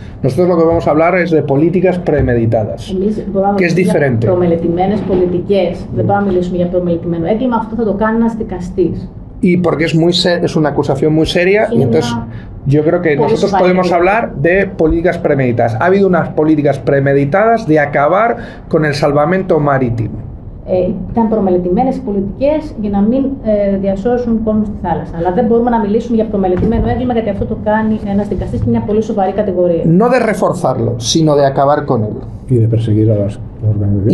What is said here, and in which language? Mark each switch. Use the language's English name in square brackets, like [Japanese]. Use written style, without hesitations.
[Spanish] Nosotros lo que vamos a hablar es de políticas premeditadas, que es diferente. Promelitimenes políticas, de para milésmia promelitimeno. [Greek] Έκλημα αυτό θα το κάνει ένας δικαστής. [Spanish] y porque es una acusación muy seria. Y entonces yo creo que nosotros podemos hablar de políticas premeditadas. Ha habido unas políticas premeditadas de acabar con el salvamento marítimo. [Greek] Ήταν προμελετημένες πολιτικές για να μην διασώσουν κόσμο στη θάλασσα. Αλλά δεν μπορούμε να μιλήσουμε για προμελετημένο έγκλημα, γιατί αυτό το κάνει ένας δικαστής και μια πολύ σοβαρή κατηγορία. [Spanish] No de reforzarlo, sino de acabar con él. Y de perseguir a las organizaciones.